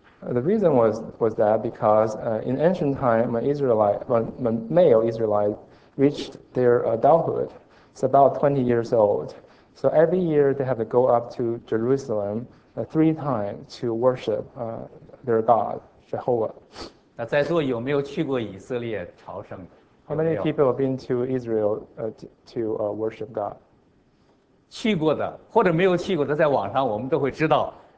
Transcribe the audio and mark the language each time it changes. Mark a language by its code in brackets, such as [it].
[en] The reason was that because in ancient time, when male Israelite reached their adulthood, it's about 20 years old. So every year they have to go up to Jerusalem three times to worship their God, Jehovah. [zh] 那在座有没有去过以色列朝圣？ [en] How many people have been to Israel to worship God? [zh] 去过的或者没有去过的，在网上我们都会知道。